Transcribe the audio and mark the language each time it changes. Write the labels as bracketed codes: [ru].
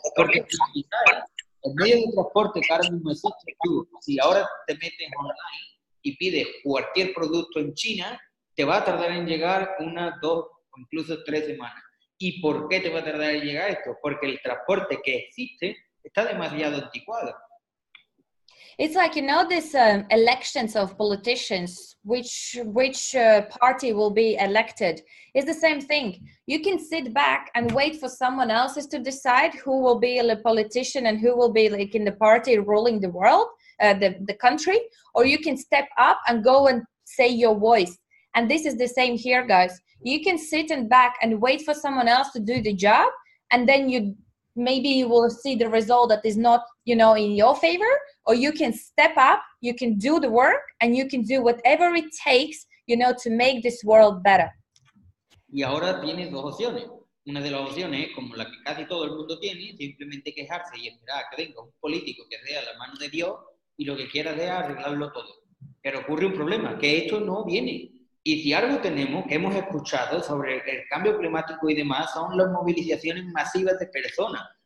[es] Porque el medio de transporte que ahora mismo existe, tú, si ahora te metes online y pides cualquier producto en China, te va a tardar en llegar una, dos, incluso 3 semanas. ¿Y por qué te va a tardar en llegar esto? Porque el transporte que existe está demasiado anticuado. [en] It's like, you know, these elections of politicians, which party will be elected. It's the same thing. You can sit back and wait for someone else to decide who will be a politician and who will be like in the party ruling the world, the country. Or you can step up and go and say your voice. And this is the same here, guys. You can sit and back and wait for someone else to do the job, and then you will see the result that is not, you know, in your favor. Or you can step up, you can do the work, and you can do whatever it takes, you know, to make this world better. [es] Y ahora tienes dos opciones. Una de las opciones, como la que casi todo el mundo tiene, simplemente quejarse y esperar a que venga un político que sea la mano de Dios y lo que quiera sea arreglarlo todo. Pero ocurre un problema, que esto no viene. Y si algo tenemos que hemos escuchado sobre el cambio climático y demás son las movilizaciones masivas de personas.